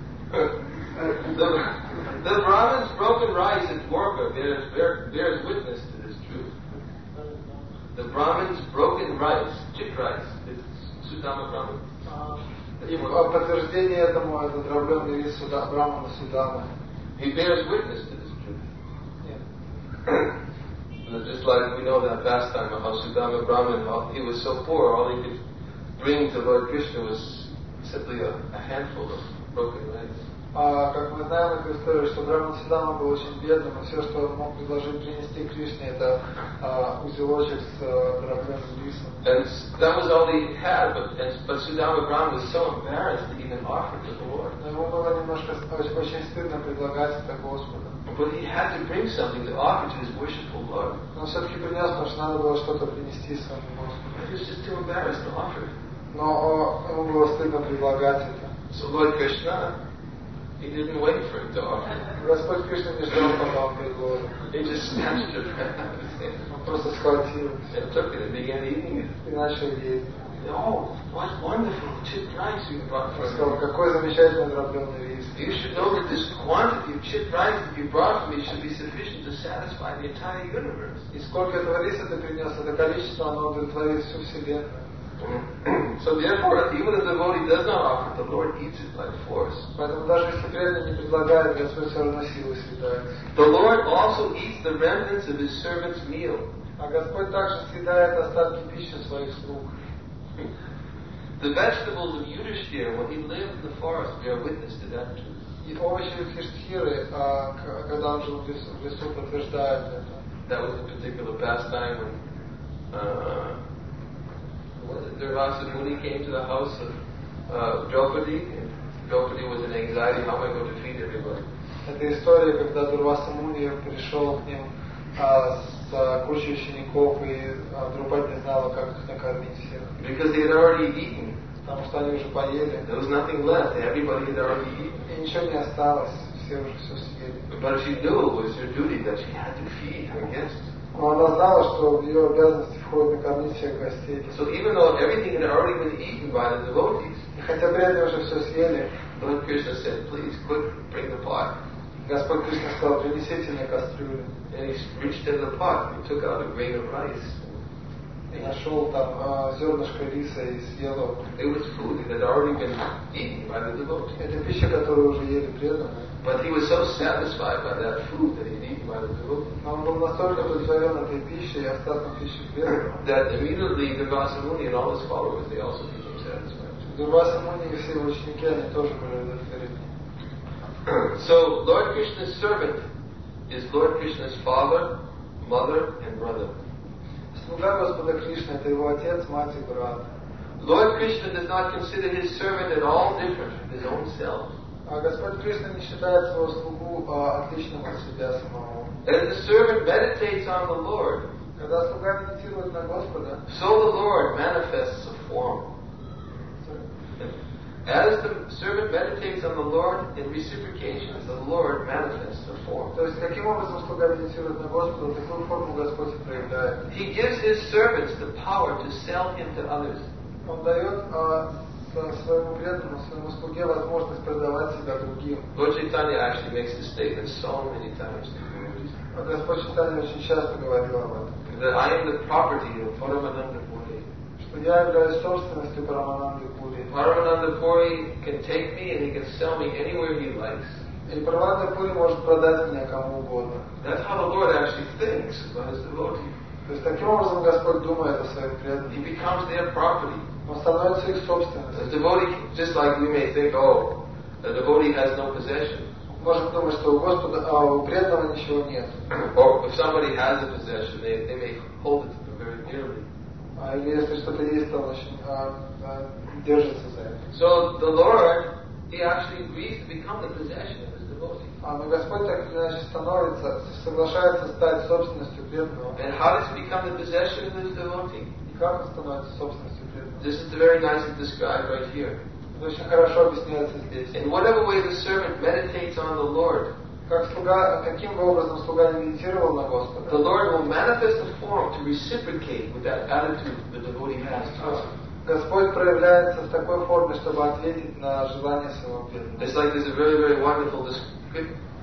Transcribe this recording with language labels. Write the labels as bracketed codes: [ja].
[en] The Brahmin's broken rice at Dwarka bears witness to this truth. The Brahmin's broken rice, chick rice, it's Sudama Brahmin. [ru] Подтверждение этому это дробленный рис Брахмана Судама. [en] He bears witness to this truth. Yeah. Just like we know that pastime of how Sudama Brahmin, he was so poor, all he could bring to Lord Krishna was simply a handful of broken rice. [ru] Как мы знаем эту историю, что Брахман Судама был очень бедным, и все, что он мог предложить принести Кришне, это узелочек с дробленным рисом. [en] And that was all he had, but Sudama Brahmin was so embarrassed to even offer to the Lord. [ru] Но ему было немножко очень стыдно предлагать это Господу. [en] But he had to bring something to offer to his worshipful Lord. [ru] Но все-таки принес, потому что надо было что-то принести своему Господу. [en] He was just too embarrassed to offer it. [ru] Но ему было стыдно предлагать это. [en] So Lord Krishna, he didn't wait for him to offer. [ru] Господь Кришна не ждал, пока он предложил. [en] He just snatched it out of his hand. [ru] Он просто схватил. [en] And took it and began eating it. [ru] И начал есть. [en] Oh, what wonderful chip rice you brought for me. [ru] Сказал, какой замечательный дробленый рис. [en] You should know that this quantity of chit rice that you brought for me should be sufficient to satisfy the entire universe. [ru] И сколько этого риса ты принес, это количество, оно удовлетворит всю вселенную. [en] So therefore, even if the devotee does not offer, the Lord eats it by force. [ru] Поэтому даже если преданный не предлагает, Господь все равно силы съедает. [en] The Lord also eats the remnants of his servant's meal. [ru] А Господь также съедает остатки пищи своих слуг. [en] The vegetables of Yudhishthira, when he lived in the forest, bear witness to that truth. [ru] И овощи Юдхиштхиры, когда он жил в лесу, подтверждают это. [en] That was a particular pastime when Durvasa Muni came to the house of Draupadi, and Draupadi was in anxiety, how am I going to feed everybody? [ru] Это история, когда Дурваса Муни пришел к ним с кучей учеников, и Драупади не знала, как их накормить всех. [en] Because they had already eaten [ru] потому что они уже поели. [en] There was nothing left. Everybody had already eaten. [ru] И ничего не осталось. Все уже все съели. [en] But she knew it was her duty that she had to feed her guests. [ru] Но она знала, что в ее обязанности входит накормить всех гостей. [en] So even though everything had already been eaten by the devotees, [ru] и хотя при этом уже все съели, [en] Lord Krishna said, please, quick, bring the pot. [ru] Господь Кришна сказал, принесите мне кастрюлю. [en] And he reached in the pot and took out a grain of rice. [ru] И нашел там зернышко риса и съел его. [en] It was food that had already been eaten by the devotees. [ru] Это пища, которую уже ели преданные. [en] But he was so satisfied by that food that he needed by the devotees. [ru] Но он был настолько удовлетворен этой пищей и остатком пищи преданного. [en] That immediately the Vasamuni and all his followers, they also became satisfied. [ru] Vasamuni и все ученики, они тоже были удовлетворены. [en] So Lord Krishna's servant is Lord Krishna's father, mother, and brother. [ru] Слуга Господа Кришны — это его отец, мать и брат. [en] Lord Krishna does not consider his servant at all different from his own self. [ru] А Господь Кришна не считает своего слугу отличным от себя самого. [en] As the servant meditates on the Lord, [ru] когда слуга медитирует на Господа, [en] so the Lord manifests a form. As the servant meditates on the Lord in reciprocation, the Lord manifests a form. [ru] То есть каким образом слуга медитирует на Господа, такую форму Господь проявляет. [en] He gives his servants the power to sell him to others. [ru] Он дает своему преданному, своему слуге возможность продавать себя другим. [en] Lord Chaitanya actually makes this statement so many times. [ru] А Господь Чайтанья очень часто говорил об этом. [en] That I am the property of Paramananda Puri. [ru] Что я являюсь собственностью Парамананды Пури. [en] Paramananda Puri can take me and he can sell me anywhere he likes. [ru] И Парамананда Пури может продать меня кому угодно. [en] That's how the Lord actually thinks about his devotee. [ru] То есть таким образом Господь думает о своих преданных. [en] He becomes their property. [ru] Он становится их собственностью. [en] A devotee, just like we may think, oh, a devotee has no possession. [ru] Может думать, что у Господа, а у преданного ничего нет. [en] Or if somebody has a possession, they may hold it very dearly. [ru] А или если что-то есть, то он держится за это. [en] So the Lord, he actually agrees to become the possession of his devotee. [ru] А но Господь так иначе становится, соглашается стать собственностью преданного. [en] And how does he become the possession of his devotee? [ru] И как он становится собственностью? [en] This is very nicely described right here. [ru] Очень хорошо объясняется здесь. [en] In whatever way the servant meditates on the Lord, [ru] как слуга, каким образом слуга медитировал на Господа, [en] the Lord will manifest a form to reciprocate with that attitude the devotee has towards him. [ru] Господь проявляется в такой форме, чтобы ответить на желание своего преданного. [en] It's like there's a very, very wonderful description.